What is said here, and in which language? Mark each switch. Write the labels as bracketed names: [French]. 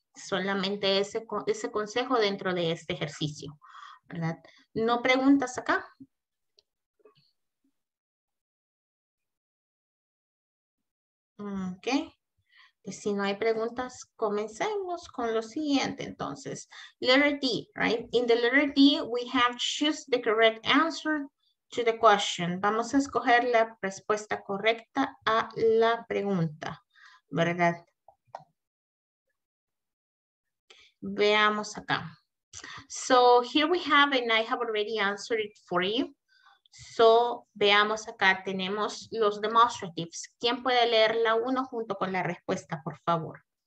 [Spanish] Solamente ese consejo dentro de este ejercicio, ¿verdad? ¿No preguntas acá? Ok. Pues si no hay preguntas, comencemos con lo siguiente. Entonces, [English] letter D, right? In the letter D, we have choose the correct answer to the question. [Spanish] Vamos a escoger la respuesta correcta a la pregunta, ¿verdad? Veamos acá. [English] So here we have, and I have already answered it for you. So, [Spanish] veamos acá, tenemos los demonstratives. ¿Quién puede leer la 1 junto con la respuesta, por favor?